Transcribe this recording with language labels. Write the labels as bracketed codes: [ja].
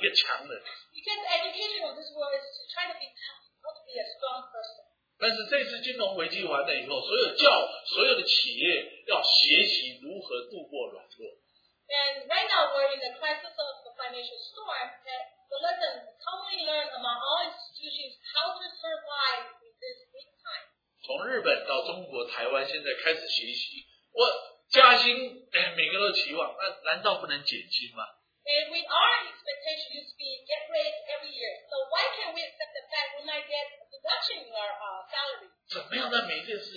[zh] 一个强人。 [en] Because education of this world is trying to be tough, not to be a strong person. [zh] 但是这次金融危机完了以后，所有的企业要学习如何度过软弱。 [en] And right now we're in the crisis of the financial storm, and the lesson commonly learned among all institutions is how to survive in this big time. [zh] 从日本到中国、台湾现在开始学习，我。加薪，每个都期望，那难道不能减薪吗？ [en] And with our expectation used to be get raised every year, so why can't we accept the fact we might get a reduction in our salary?